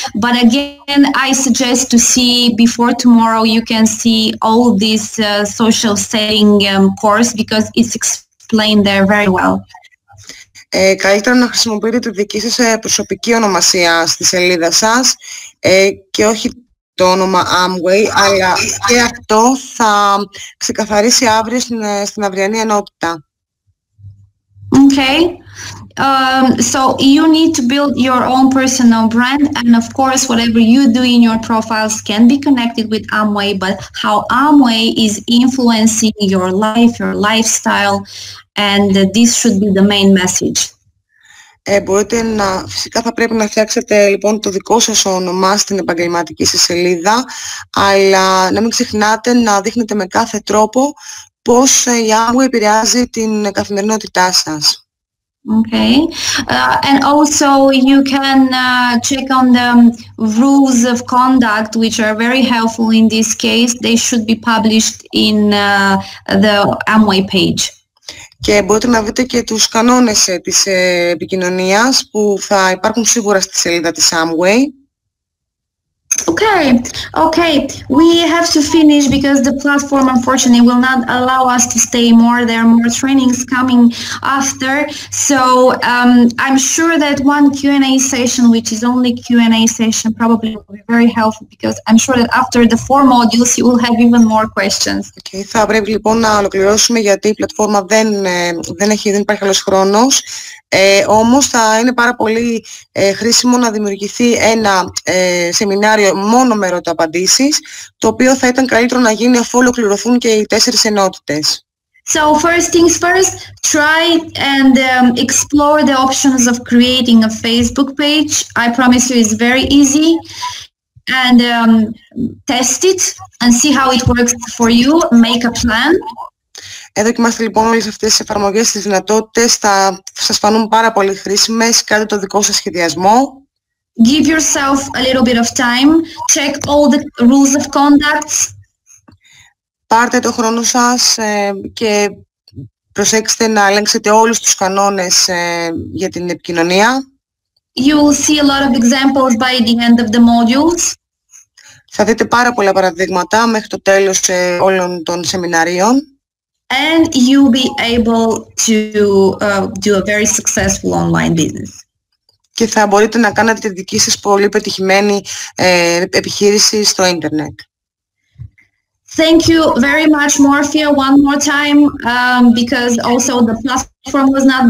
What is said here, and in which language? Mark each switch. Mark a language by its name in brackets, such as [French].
[English] But again, I suggest to see before tomorrow, you can see all this social setting course, because it's explained there very well. [Greek] Καλύτερα να χρησιμοποιείτε τη δική σας προσωπική ονομασία στη σελίδα σας και όχι το όνομα Amway, αλλά και αυτό θα ξεκαθαρίσει αύριο στην αυριανή ενότητα. [English] Okay, so you need to build your own personal brand, and of course whatever you do in your profiles can be connected with Amway, but how Amway is influencing your life, your lifestyle, and this should be the main message. [Greek] Μπορείτε να, φυσικά θα πρέπει να φτιάξετε λοιπόν το δικό σας όνομα στην επαγγελματική σας σελίδα, αλλά να μην ξεχνάτε να δείχνετε με κάθε τρόπο πώς η Amway επηρεάζει την καθημερινότητά σας. [English] Okay. And also you can check on the rules of conduct, which are very helpful in this case. They should be published in the Amway page. [Greek] Και μπορείτε να δείτε και τους κανόνες της επικοινωνίας που θα υπάρχουν σίγουρα στη σελίδα της Amway. [English] Okay, we have to finish because the platform unfortunately will not allow us to stay more. There are more trainings coming after. So I'm sure that one Q&A session, which is only Q&A session, probably will be very helpful, because I'm sure that after the four modules you will have even more questions. Okay, [Greek] θα πρέπει λοιπόν να ολοκληρώσουμε γιατί η πλατφόρμα δεν υπάρχει άλλος χρόνος. Όμως θα είναι πάρα πολύ χρήσιμο να δημιουργηθεί ένα σεμινάριο μόνο με ερωτα-απαντήσεις, το οποίο θα ήταν καλύτερο να γίνει αφού ολοκληρωθούν και οι τέσσερις ενότητες. [English] So first things first, try and explore the options of creating a Facebook page. I promise you it's very easy. And test it and see how it works for you. Make a plan. [Greek] Εδώ κοιμάστε λοιπόν όλες αυτές τις εφαρμογές, τις δυνατότητες, θα σας φανούν πάρα πολύ χρήσιμες. Κάντε το δικό σας σχεδιασμό. [English] Give yourself a little bit of time. Check all the rules of conduct. [Greek] Πάρτε το χρόνο σας και προσέξτε να ελέγξετε όλους τους κανόνες για την επικοινωνία. [English] You will see a lot of examples by the end of the modules. [Greek] Θα δείτε πάρα πολλά παραδείγματα μέχρι το τέλος όλων των σεμιναρίων. [English] And you'll be able to do a very successful online business. [Greek] Και θα μπορείτε να κάνετε τη δική σας πολύ πετυχημένη επιχείρηση στο ίντερνετ. [English] Thank you very much, Morphia, one more time, because also the platform was not